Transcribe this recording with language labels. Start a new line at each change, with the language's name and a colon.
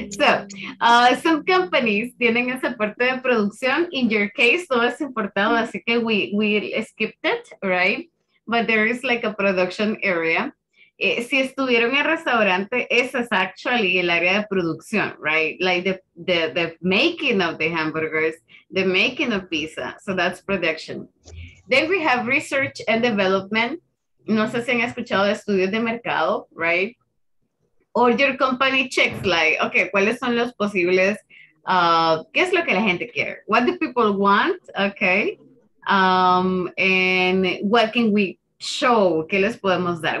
English: So some companies
Spanish: tienen esa parte de producción.
English: In your case,
Spanish: todo es importado, así que
English: we skipped it, right? But there is like a production area.
Spanish: Si estuvieron en restaurante, ese es
English: actually
Spanish: el área de producción,
English: right? Like the making of the hamburgers, the making of pizza. So that's production. Then we have research and development.
Spanish: No sé si han escuchado estudios de mercado, right?
English: Or your company checks, like, okay,
Spanish: ¿cuáles son los posibles? ¿Qué es lo que la gente quiere?
English: What do people want? Okay. And what can we show,
Spanish: ¿qué les podemos dar?